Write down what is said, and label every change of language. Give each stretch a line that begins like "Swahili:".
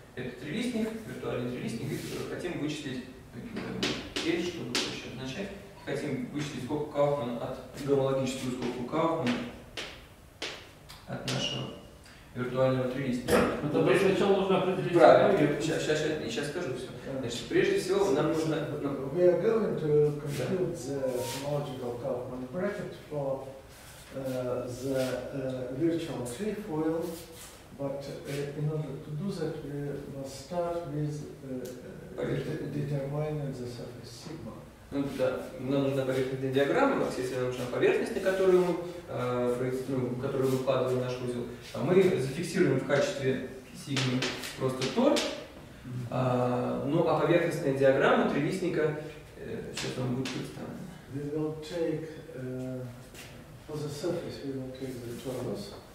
Russian: Это трилистник, виртуальный трилистник, хотим вычислить L, чтобы проще означать. Хотим вычислить скобку Кауфмана от гомологическую скобку Кауфмана от нашего виртуального трилистника. Это прежде всего нужно определить. Правильно, сейчас скажу все. Значит, прежде всего нам нужно.
English: We are going to compute the homological Kauffman bracket for the virtual trefoil. But in order to do that, we must start with determining the surface sigma.
Russian: Ну да, нам нужна поверхностная диаграмма, во всей нам нужна поверхность, на которую мы, которую мы вкладываем в наш узел. А мы зафиксируем в качестве сигмы просто тор. Ну а поверхностная диаграмма трилистника, сейчас он будет представлен.
English: We will take for the surface, we will take the torus.